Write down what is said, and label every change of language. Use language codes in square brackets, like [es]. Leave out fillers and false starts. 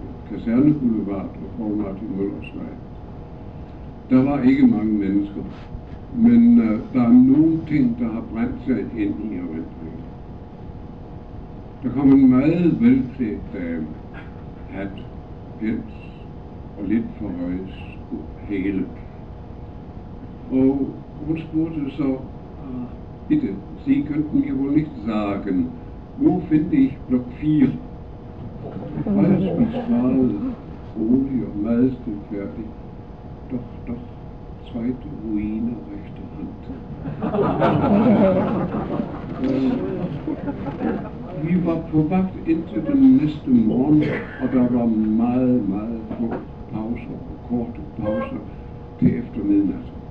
[da] Kaserne Boulevard og foran Martin Møllers vej. Der var ikke mange mennesker, men der er nogle ting, der har brændt sig ind i erindringen. Der kom en meget velklædt dame, hat, pels og lidt for høje hæle. Og hun spurgte så, [de] bitte, Sie könnten mir wohl nicht sagen, wo finde ich Block 4? [da] Alles besparet, rolig og meget stilfærdig. [de] Doch, doch, zweite Ruine rechte Hand. [da] Vi var på vagt indtil den næste morgen, og der var meget, meget få pauser og korte pauser til efter midnat.